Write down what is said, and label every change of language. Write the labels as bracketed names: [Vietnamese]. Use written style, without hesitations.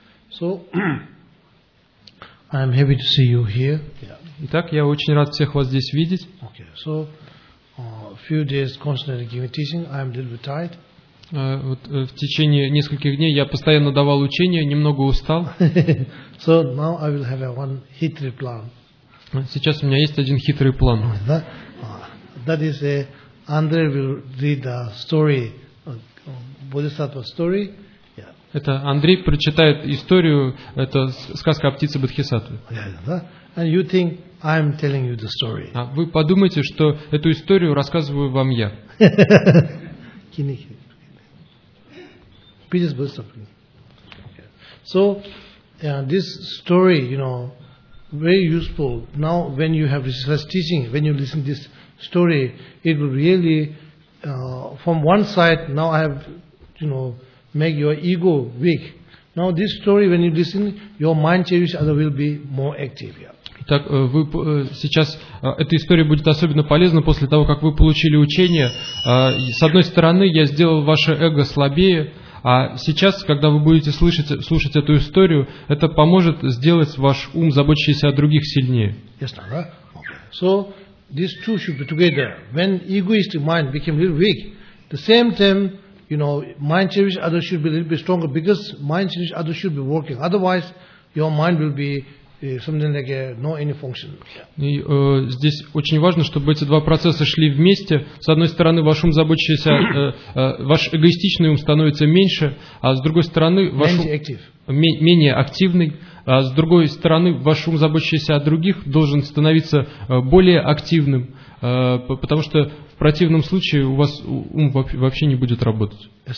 [English] So, I am happy to see you here. [Russian] Итак, я очень рад всех вас здесь видеть. [English] Okay. So, few days constantly giving teaching, I am a little bit tired. [Russian] В течение нескольких дней я постоянно давал учения, немного устал. [English] So now I will have one hitry plan. [Russian] Сейчас у меня есть один хитрый план. [English] That is Andre will read the story, Bodhisattva story. [Russian] Это Андрей прочитает историю, это сказка о птице Бодхисаттве. [English] And you think I'm telling you the story. [Russian] А вы подумайте, что эту историю рассказываю вам я. [English] Please, Bodhisattva. So, this story, you know, very useful. Now, when you have this teaching, when you listen to this story, it will really, from one side, now I have, you know, make your ego weak. Now this story, when you listen, your mind changes, other will be more active. Yeah. [Russian] Итак, вы сейчас эта история будет особенно полезна после того, как вы получили учение. С одной стороны, я сделал ваше эго слабее, а сейчас, когда вы будете слушать эту историю, это поможет сделать ваш ум, заботящийся о других, сильнее. [English] Yes, no, right? Okay. So these two should be together. When egoistic mind became a little weak, the same time, you know, mind cherish others should be a little bit stronger, because mind cherish others should be working. Otherwise, your mind will be something like no any function. [Russian] И здесь очень важно, чтобы эти два процесса шли вместе. С одной стороны, ваш ум заботящийся, ваш эгоистичный ум становится меньше, а с другой стороны, ваш ум менее активный. А с другой стороны, ваш ум заботящийся о других должен становиться более активным, потому что в противном случае у вас ум вообще не будет работать.